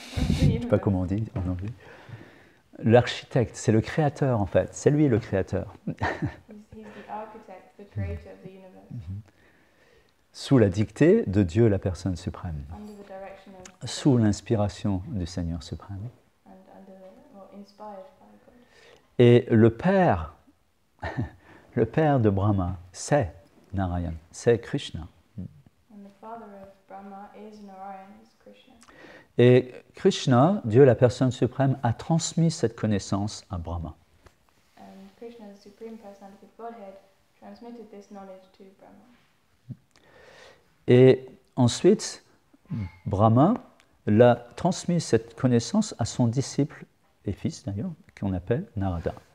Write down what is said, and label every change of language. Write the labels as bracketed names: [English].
[French] Je ne sais pas comment on dit en anglais. L'architecte, c'est le créateur en fait. C'est lui le créateur. [English] He's the architect, the creator of the universe. [French] Sous la dictée de Dieu, la personne suprême. [English] Under the direction of... [French] Sous l'inspiration du Seigneur suprême. [English] And under the, well, inspired by God. [French] Et le père de Brahma, c'est Narayan, c'est Krishna. [English] And the father of Brahma is Narayan, is Krishna. [French] Et Krishna, Dieu, la personne suprême, a transmis cette connaissance à Brahma. [English] And Krishna, the supreme personality of Godhead, transmitted this knowledge to Brahma. [French] Et ensuite, Brahma l'a transmis cette connaissance à son disciple et fils, d'ailleurs, qu'on appelle Narada.